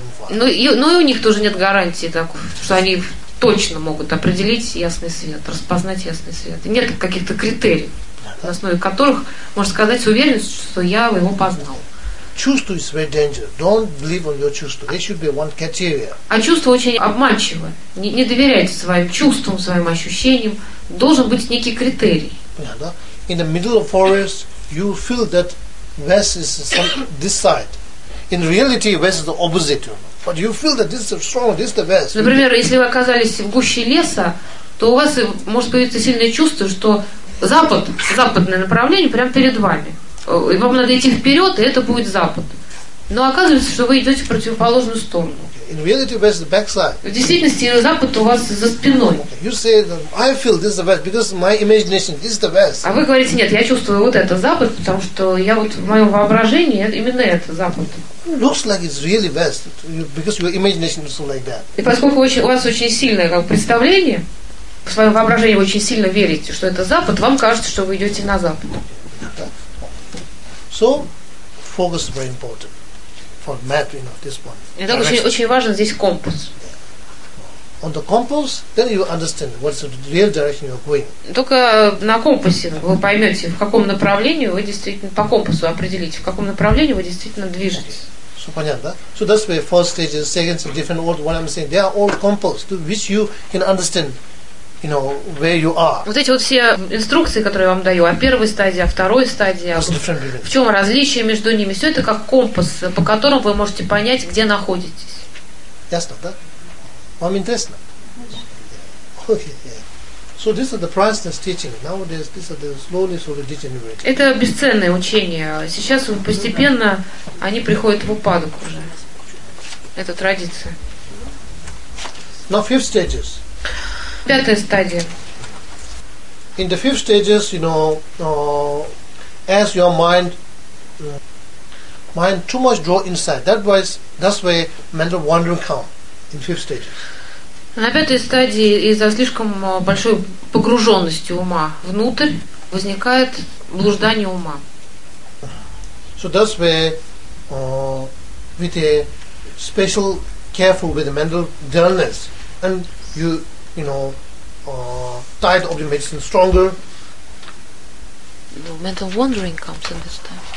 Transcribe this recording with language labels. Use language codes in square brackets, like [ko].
[ru] Но и у них тоже нет гарантии, так, что они точно могут определить ясный свет, распознать ясный свет. Нет каких-то критерий, на основе которых можно сказать с уверенностью, что я его познал. [en] Чувство is very dangerous. Don't believe on your чувство. There should be one criteria. [ru] А чувство очень обманчиво. Не доверяйте своим чувствам, своим ощущениям. Должен быть некий критерий. [en] Yeah, no? In the middle of forest, you feel that West is some, this side. In reality, West is the opposite. But you feel that this is strong, this is the West. [ru] Например, если вы оказались в гуще леса, то у вас может появиться сильное чувство, что запад, западное направление прямо перед вами. И вам надо идти вперед, и это будет запад. Но оказывается, что вы идете в противоположную сторону. [en] In reality, where's the backside? [ru] В действительности запад у вас за спиной. [en] You say I feel this is the west because my imagination this is the west. [ru] А вы говорите нет, я чувствую вот это запад, потому что я вот в моем воображении именно это запад. [en] Looks like it's really west because your imagination is like that. [ru] И поскольку очень, у вас очень сильное как представление, в своем воображении вы очень сильно верите, что это запад, вам кажется, что вы идете на запад. [en] So, focus is very important. For map, you know, this one. [ru] Итак, очень, очень важен здесь компас. [en] Yeah. On the compass, then you understand what's the real direction you're going. [ru] Только на компасе вы поймете, в каком направлении вы действительно по компасу определите, в каком направлении вы действительно движетесь. So, понятно, да? [en] So that's where first stage, second stage, different order. What I'm saying, they are all compass to which you can understand. You know, where you are. [ru] Вот эти вот все инструкции, которые я вам даю, о первой стадии, о второй стадии, в чем различие между ними, все это как компас, по которому вы можете понять, где находитесь. Ясно, да? Вам интересно? [en] So this is the priceless teaching. Nowadays, this is the slowly sort of degenerating. [ru] Это бесценное учение. Сейчас постепенно они приходят в упадок уже. Это традиция. [en] Now fifth stages. In the fifth stages, you know, as your mind too much draw inside. That's where mental wandering come in fifth stages. На пятой стадии из-за слишком большой погруженности ума внутрь возникает блуждание ума. So that's where, with a special careful with the mental dullness, and you know. Tired of the medicine stronger. No, mental wandering comes in this time.